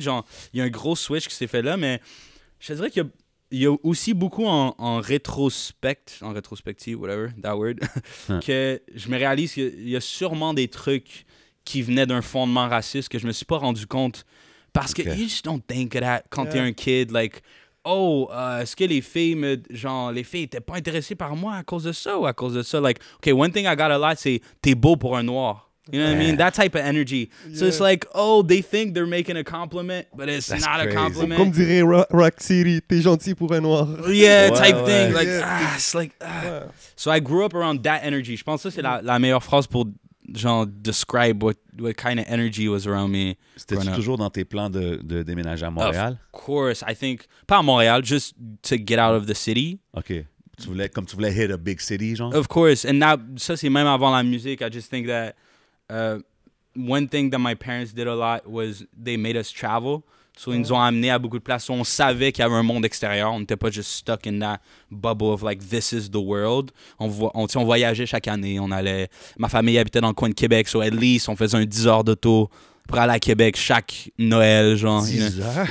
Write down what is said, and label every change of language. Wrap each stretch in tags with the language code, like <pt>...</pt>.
<fr>Genre, il y a un gros switch qui s'est fait là, mais je dirais qu'il y a aussi beaucoup en rétrospective,</fr> <en>whatever, that word,</en> <fr>que je me réalise qu'il y a sûrement des trucs qui venaient d'un fondement raciste que je me suis pas rendu compte. Parce que</fr> <en>you just don't think of that</en> <fr>quand t'es un kid, like, oh, est-ce que les filles, étaient pas intéressées par moi à cause de ça ou à cause de ça?</fr> <en>Like, okay, one thing I got a lot,</en> <fr>c'est t'es beau pour un noir.</fr> <en>You know what I mean? That type of energy. So it's like, oh, they think they're making a compliment, but it's that's not crazy. A compliment.</en> <fr>Comme dirait Rock City, t'es gentil pour un noir.</fr> <en>Yeah, ouais, type ouais. thing. Like, yeah. It's like, So I grew up around that energy.</en> <fr>Je pense que c'est la meilleure phrase pour, genre,</fr> <en>describe what kind of energy was around me.</en> <fr>C'était-tu toujours dans tes plans de déménager à Montréal?</fr> <en>Of course. I think,</en> <fr>pas à Montréal,</fr> <en>just to get out of the city.</en> <fr>Okay. Tu voulais</fr> <en>hit a big city,</en> <fr>genre?</fr> <en>Of course. And that,</en> <fr>ça, c'est même avant la musique.</fr> <en>I just think that... one thing that my parents did a lot was they made us travel.</en> <fr>So ils nous ont amené à beaucoup de places. On savait qu'il y avait un monde extérieur. On n'était pas juste</fr> <en>stuck in that bubble of like, this is the world.</en> <fr>On voyageait chaque année. Ma famille habitait dans le coin de Québec.</fr> <en>So at least,</en> <fr>on faisait un 10 heures d'auto pour aller à Québec chaque Noël, genre. 10 heures?</fr>